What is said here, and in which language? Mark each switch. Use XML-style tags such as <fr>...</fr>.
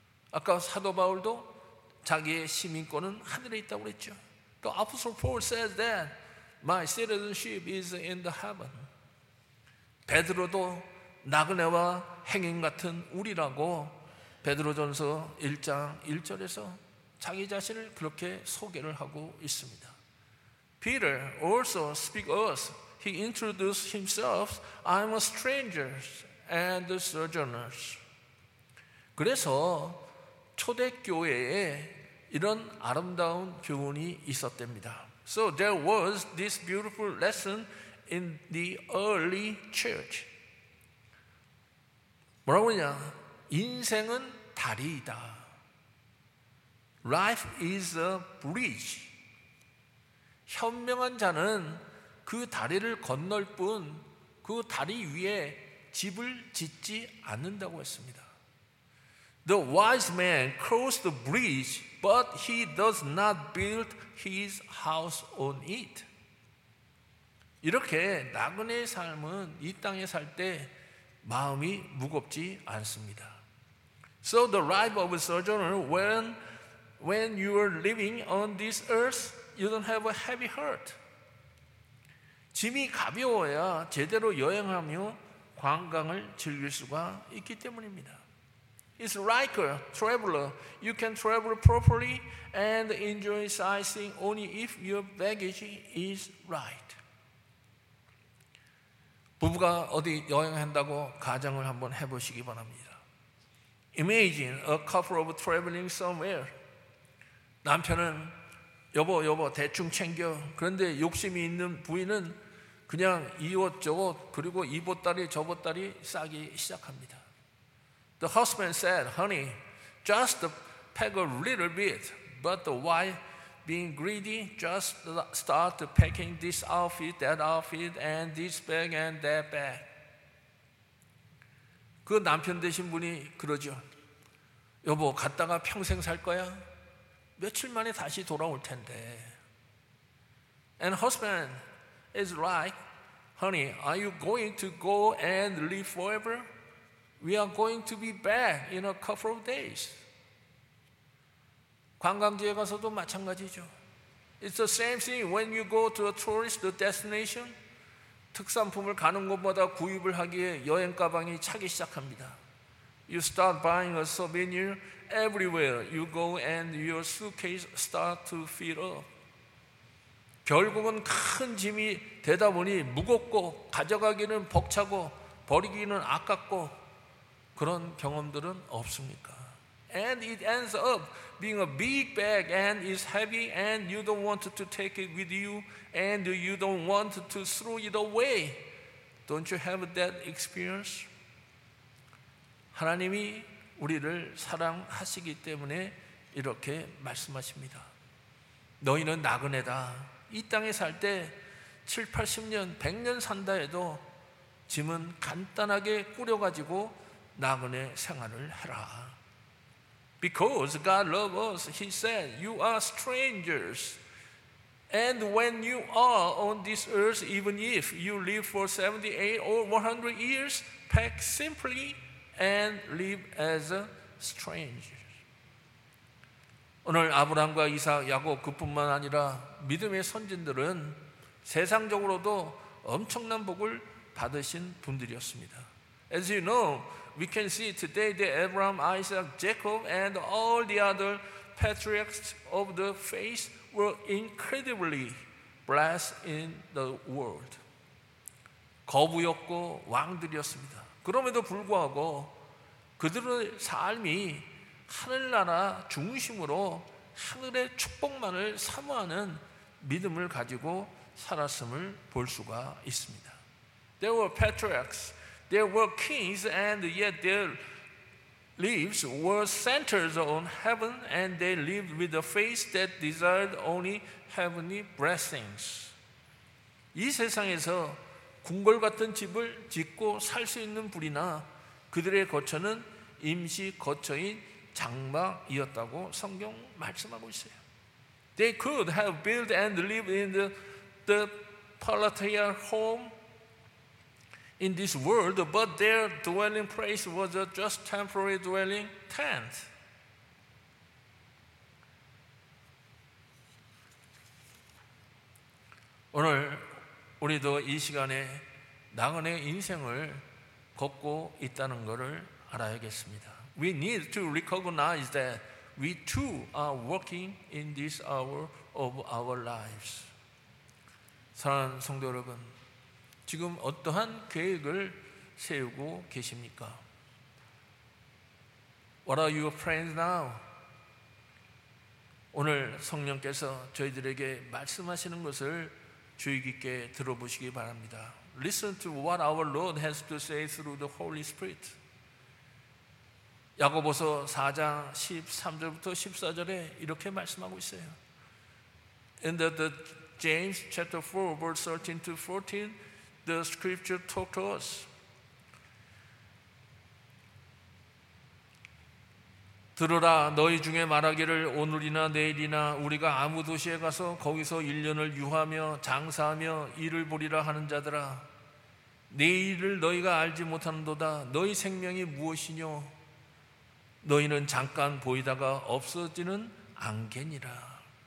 <ko>아까 사도 바울도 자기의 시민권은 하늘에 있다고 했죠.</ko> <en>The Apostle Paul says that My citizenship is in the heaven.</en> <ko>베드로도 나그네와 행인 같은 우리라고 베드로전서 1장 1절에서 자기 자신을 그렇게 소개를 하고 있습니다.</ko> <en>Peter also speaks us. He introduced himself. I'm a stranger and a sojourner.</en> <ko>그래서 초대교회에 이런 아름다운 교훈이 있었답니다.</ko> <en>So there was this beautiful lesson in the early church.</en> <ko>뭐라고 그러냐? 인생은 다리이다.</ko> <en>Life is a bridge.</en> <ko>현명한 자는 그 다리를 건널 뿐 그 다리 위에 집을 짓지 않는다고 했습니다.</ko> <en>The wise man crossed the bridge, but he does not build his house on it.</en> <ko>이렇게 나그네의 삶은 이 땅에 살 때 마음이 무겁지 않습니다.</ko> <en>So the life of a sojourner, when you are living on this earth, you don't have a heavy heart.</en> <ko>짐이 가벼워야 제대로 여행하며 관광을 즐길 수가 있기 때문입니다.</ko> <en>It's like a traveler. You can travel properly and enjoy sightseeing only if your baggage is right.</en> <ko>부부가 어디 여행한다고 가정을 한번 해보시기 바랍니다.</ko> <en>Imagine a couple of traveling somewhere.</en> <ko>남편은 여보 대충 챙겨. 그런데 욕심이 있는 부인은 그냥 이것저것 그리고 이보따리 저보따리 싸기 시작합니다.</ko> <en>The husband said, honey, just pack a little bit. But the wife, being greedy, just start packing this outfit, that outfit, and this bag, and that bag.</en> <ko>그 남편 되신 분이 그러죠. 여보, 갔다가 평생 살 거야? 며칠 만에 다시 돌아올 텐데.</ko> <en>And husband is like, honey, are you going to go and live forever? We are going to be back in a couple of days.</en> <ko>관광지에 가서도 마찬가지죠.</ko> <en>It's the same thing when you go to a tourist destination.</en> <ko>특산품을 가는 곳마다 구입을 하기에 여행 가방이 차기 시작합니다.</ko> <en>You start buying a souvenir everywhere you go and your suitcase start to fill up.</en> <ko>결국은 큰 짐이 되다 보니 무겁고 가져가기는 벅차고 버리기는 아깝고 그런 경험들은 없습니까?</ko> <en>And it ends up being a big bag and is heavy and you don't want to take it with you and you don't want to throw it away. Don't you have that experience?</en> <ko>하나님이 우리를 사랑하시기 때문에 이렇게 말씀하십니다. 너희는 나그네다. 이 땅에 살 때 7, 80년, 100년 산다 해도 짐은 간단하게 꾸려가지고 나그네 생활을 해라.</ko> <en>Because God loves us, He said, you are strangers. And when you are on this earth, even if you live for 78 or 100 years, pack simply and live as a stranger.</en> <ko>오늘 아브라함과 이삭, 야곱 그뿐만 아니라 믿음의 선진들은 세상적으로도 엄청난 복을 받으신 분들이었습니다.</ko> <en>As you know, we can see today that Abraham, Isaac, Jacob, and all the other patriarchs of the faith were incredibly blessed in the world.</en> <ko>거부였고 왕들이었습니다. 그럼에도 불구하고 그들의 삶이 하늘나라 중심으로 하늘의 축복만을 사모하는 믿음을 가지고 살았음을 볼 수가 있습니다.</ko> <en>There were patriarchs. There were kings, and yet their lives were centered on heaven, and they lived with a faith that desired only heavenly blessings.</en> <ko>이 세상에서 궁궐 같은 집을 짓고 살 수 있는 분이나 그들의 거처는 임시 거처인 장막이었다고 성경 말씀하고 있어요.</ko> <en>They could have built and lived in the palatial home. In this world, but their dwelling place was a just temporary dwelling tent.</en> <ko>오늘 우리도 이 시간에 낙원의 인생을 걷고 있다는 것을 알아야겠습니다.</ko> <en>We need to recognize that we too are walking in this hour of our lives.</en> <ko>사랑하는 성도 여러분, 지금 어떠한 계획을 세우고 계십니까?</ko> <en>What are your plans now?</en> <ko>오늘 성령께서 저희들에게 말씀하시는 것을 주의 깊게 들어보시기 바랍니다.</ko> <en>Listen to what our Lord has to say through the Holy Spirit.</en> <ko>야고보서 4장 13절부터 14절에 이렇게 말씀하고 있어요.</ko> <en>In the James chapter 4 verse 13 to 14, the scripture talk to us.</en> <ko>들으라, 너희 중에 말하기를 오늘이나 내일이나 우리가 아무 도시에 가서 거기서 1년을 유하며 장사하며 일을 보리라 하는 자들아, 내일을 너희가 알지 못하는도다. 너희 생명이 무엇이뇨? 너희는 잠깐 보이다가 없어지는 안개니라.</ko>